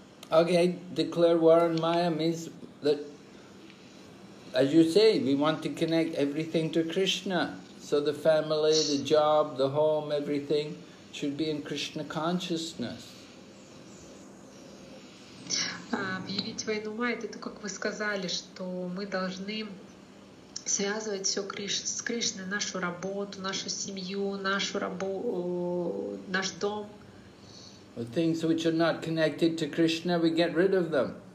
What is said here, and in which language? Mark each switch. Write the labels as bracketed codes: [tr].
[en] Okay, declare word on Maya means that, as you say, we want to connect everything to Krishna. So the family, the job, the home, everything should be in Krishna consciousness. [ru] Объявить войну Майя, это как вы сказали, что мы должны связывать все с Кришной, нашу работу, нашу семью, наш дом. [en] The things which are not connected to Krishna, we get rid of them.